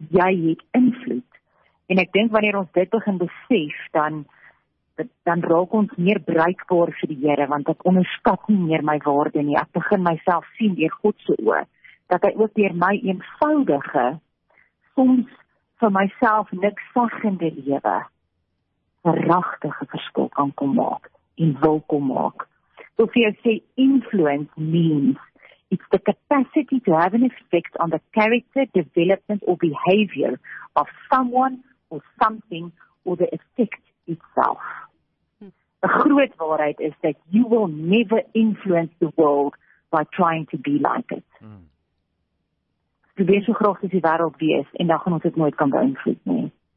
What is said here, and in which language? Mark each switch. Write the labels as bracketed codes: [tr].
[af] Jy het invloed. En ek dink wanneer ons dit begin besef, dan raak ons meer bruikbaar vir die Here, want ek onderskat nie meer my waarde nie. Ek begin myself sien deur God se oë, dat hy ook deur my eenvoudige, soms vir myself niks saggende lewe, 'n regte verskil kan kom maak en wil kom maak. So vir jou sê, [en] influence means it's the capacity to have an effect on the character, development or behavior of someone or something or the effect itself. [af] 'N groot waarheid is [en] that you will never influence the world by trying to be like it. [af] Jy wil so graag soos die wêreld wees en dan gaan ons dit nooit kan beïnvloed nie.